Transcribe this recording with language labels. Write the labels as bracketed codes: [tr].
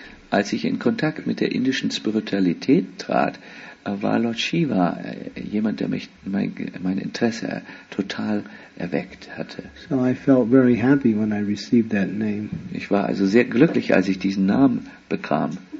[de] Als ich in Kontakt mit der indischen Spiritualität trat, war Lord Shiva jemand, der mich mein Interesse total erweckt hatte. [en] So I felt very happy when I received that name. [de] Ich war also sehr glücklich, als ich diesen Namen bekam.